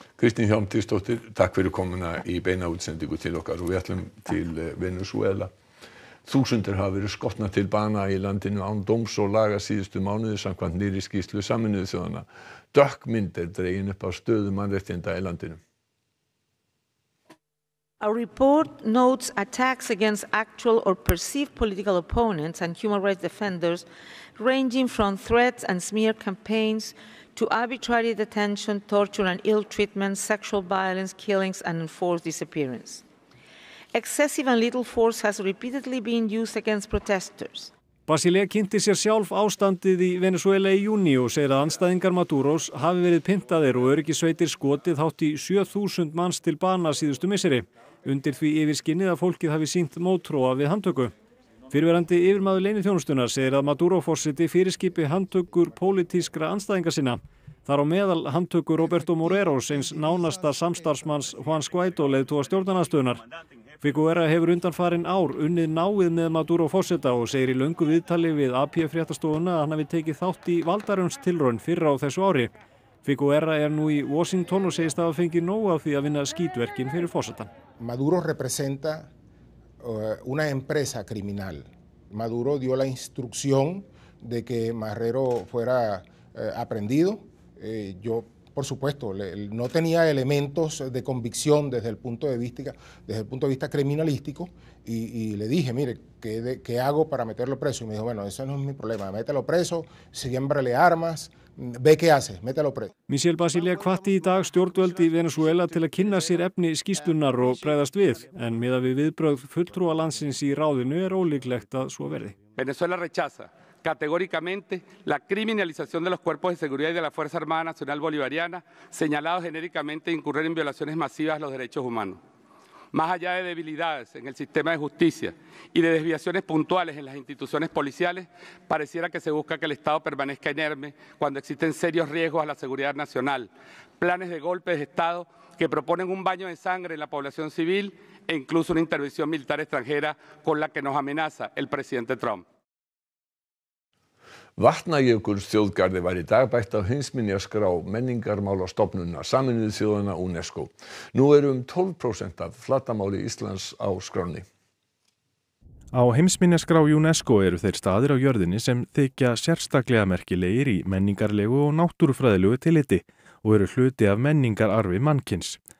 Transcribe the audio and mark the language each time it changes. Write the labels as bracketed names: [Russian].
[Icelandic] Kristín Hjálmtýsdóttir, takk fyrir komuna í beina útsendingu til okkar og við ætlum til Venezuela. Þúsundir hafa verið skotna til bana í landinu án dóms og laga síðustu mánuði samkvæmt nýrri skýrslu Sameinuðu þjóðanna. Dökkmynd er dregin upp á stöðu mannréttinda í landinu. [English] A report notes attacks against actual or perceived political opponents and human rights defenders ranging from threats and smear campaigns to arbitrary detention, torture and ill treatment, sexual violence, killings and enforced disappearance. Excessive and little force has repeatedly been used against protesters. [Icelandic] Basilea kynnti sér sjálf ástandið í Venezuela í júní og segir að andstæðingar Maduros hafi verið pyntaðir og öryggisveitir skotið hátt í 7000 manns til bana síðustu misseri, undir því yfirskinnið að fólkið hafi sýnt mótróa við handtöku. Fyrirverandi yfirmaður leyniþjónustunnar segir að Maduro forseti fyrirskipi handtökur pólitískra andstæðinga sinna. Þar á meðal handtöku Roberto Moreros, eins nánasta samstarfsmanns Juans Guaido leiðtoga stjórnarandstöðunnar. Figuera hefur undanfarin ár unnið náið með Maduro forseta og segir í löngu viðtali við AP fréttastofuna að hann hafi tekið þátt í valdarumstilraun fyrr á þessu ári. Figuera er nú í Washington og segist að fengi nóg af því að vinna skítverkin fyrir forsetan. [Spanish] Maduro representa una empresa criminal. Maduro dio la instrucción de que Marrero fuera aprendido. Yo por supuesto, no tenía elementos de convicción desde el punto de vista criminalístico y le dije, mire, ¿qué hago para meterlo preso? Y me dijo, bueno, eso no es mi problema, mételo preso, siémbrale armas, ve qué hace, mételo preso. [Icelandic] Michel Basilea kvatti í dag stjórnvöld í Venezuela til að kynna sér efni skýrslunnar og bregðast við, en miðað við viðbrögð fulltrúa landsins í ráðinu er ólíklegt að svo verði. [Spanish] Venezuela rechaza categóricamente la criminalización de los cuerpos de seguridad y de la Fuerza Armada Nacional Bolivariana, señalados genéricamente de incurrir en violaciones masivas a los derechos humanos. Más allá de debilidades en el sistema de justicia y de desviaciones puntuales en las instituciones policiales, pareciera que se busca que el Estado permanezca inerme cuando existen serios riesgos a la seguridad nacional, planes de golpes de Estado que proponen un baño de sangre en la población civil e incluso una intervención militar extranjera con la que nos amenaza el presidente Trump. [Icelandic] Vatnajökulsþjóðgarði var í dag bætt á heimsminjaskrá menningarmálastofnunar Sameinuðu þjóðanna UNESCO. Nú eru 12% af flatamáli Íslands á skránni. Á heimsminjaskrá UNESCO eru þeir staðir á jörðinni sem þykja sérstaklega merkilegir í menningarlegu og náttúrufræðilegu tilliti og eru hluti af menningararfi mannkyns.